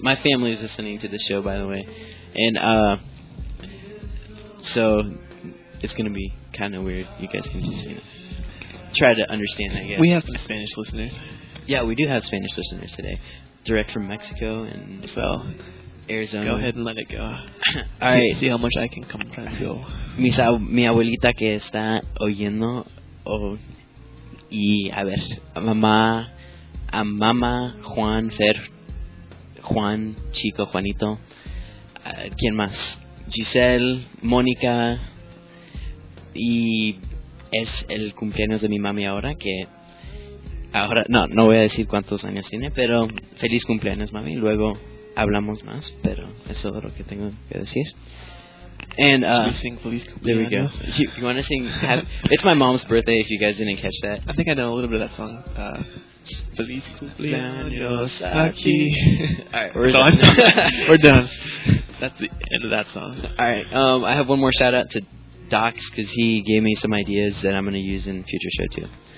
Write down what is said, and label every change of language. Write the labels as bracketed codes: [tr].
[en] My family is listening to the show, by the way. And so it's going to be kind of weird. You guys can just, you know, try to understand, I guess. We have some Spanish listeners. Yeah, we do have Spanish listeners today. Direct from Mexico and Arizona. Go ahead and let it go. All right. See how much I can come try to go. [es] Mi abuelita que está oyendo. Y a ver, mamá. A mamá, Juan, Fer, Juan, Chico, Juanito, ¿quién más? Giselle, Mónica, y es el cumpleaños de mi mami ahora, que ahora, no voy a decir cuántos años tiene, pero feliz cumpleaños, mami, luego hablamos más, pero eso es lo que tengo que decir. [en] And, there we go. You want to sing? It's my mom's birthday, if you guys didn't catch that. I think I know a little bit of that song. [es] Feliz cumpleaños aquí. [en] Alright, we're done. We're done. That's the end of that song. Alright, I have one more shout out to Docs, because he gave me some ideas that I'm going to use in future show too.